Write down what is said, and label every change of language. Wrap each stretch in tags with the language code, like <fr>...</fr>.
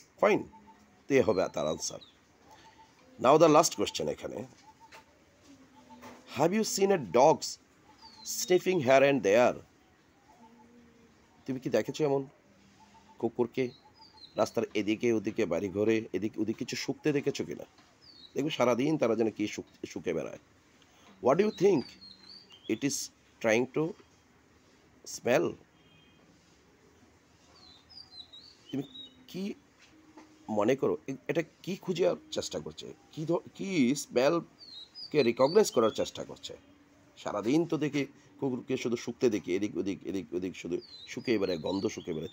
<bn>Fine, তো এ হবে তার answer.</bn> <en>now the last question,</en> <bn>এখানে</bn> <en>have you seen a dogs sniffing here and there,</en> <bn>তুমি কি দেখেছো এমন কুকুরকে রাস্তার এদিকে ওদিকে বাড়িঘরে এদিক ওদিক কিছু শুঁকতে দেখেছো কি না? দেখবে সারাদিন তারা যেন কী শুঁকে বেড়ায়।</bn> <en>What do you think it is trying to smell?</en> <bn>তুমি কি মনে করো এটা কি খুঁজার চেষ্টা করছে, কি স্মেলকে রিকগনাইজ করার চেষ্টা করছে? সারাদিন তো দেখি কুকুরকে শুধু শুঁকতে দেখি, এদিক ওদিক এদিক ওদিক শুধু শুকিয়ে বেড়ায়, গন্ধ শুকিয়ে বেড়ায়।</bn>